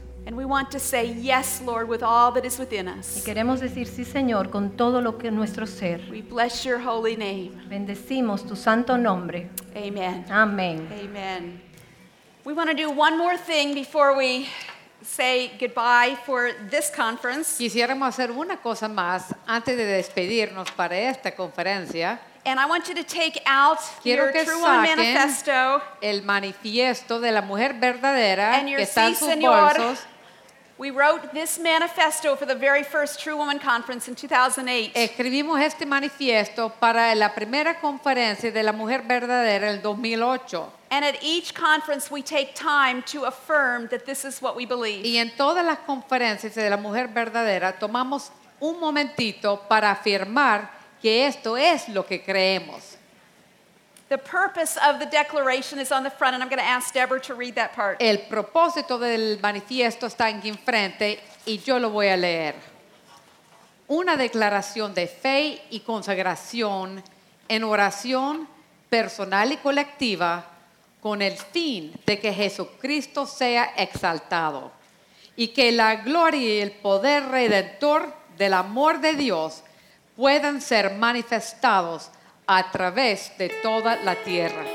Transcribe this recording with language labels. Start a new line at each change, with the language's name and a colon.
English: And we want to say yes, Lord, with all that is within us.
Spanish: Y queremos decir sí, Señor, con todo lo que nuestro ser.
English: We bless your holy name.
Spanish: Bendecimos tu santo nombre.
English: Amen. Amen. Amen. We want to do one more thing before we say goodbye for this conference.
Spanish: Quisiéramos hacer una cosa más antes de despedirnos para esta conferencia.
English: And I want you to take out
Spanish: Quiero
English: your True Woman Manifesto.
Spanish: El manifiesto de la mujer verdadera
English: and your
Spanish: que está en sus señor, bolsos.
English: We wrote this manifesto for the very first True Woman Conference in 2008.
Spanish: Escribimos este manifiesto para la primera conferencia de la mujer verdadera en 2008.
English: And at each conference we take time to affirm that this is what we believe.
Spanish: Y en todas las conferencias de la mujer verdadera tomamos un momentito para afirmar que esto es lo que creemos.
English: The purpose of the declaration is on the front, and I'm going to ask Deborah to read that part.
Spanish: El propósito del manifiesto está aquí enfrente y yo lo voy a leer. Una declaración de fe y consagración en oración personal y colectiva con el fin de que Jesucristo sea exaltado y que la gloria y el poder redentor del amor de Dios puedan ser manifestados a través de toda la tierra.